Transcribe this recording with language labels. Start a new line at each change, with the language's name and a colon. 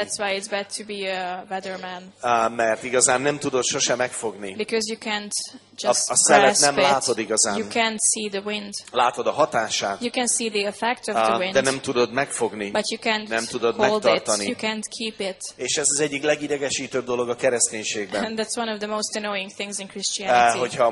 English: That's why it's bad to be a weatherman.
Hungarian: Mert igazán nem tudod sose megfogni.
English: Because you can't just
Hungarian: a szelet nem látod igazán.
English: You can't see the wind.
Hungarian: Látod a hatását.
English: You can see the effect of the wind.
Hungarian: De nem tudod megfogni.
English: But you can't
Hungarian: nem tudod
English: hold
Hungarian: megtartani.
English: It. You can't keep it.
Hungarian: És ez az egyik legidegesítőbb dolog a kereszténységben.
English: And that's one of the most annoying things in Christianity.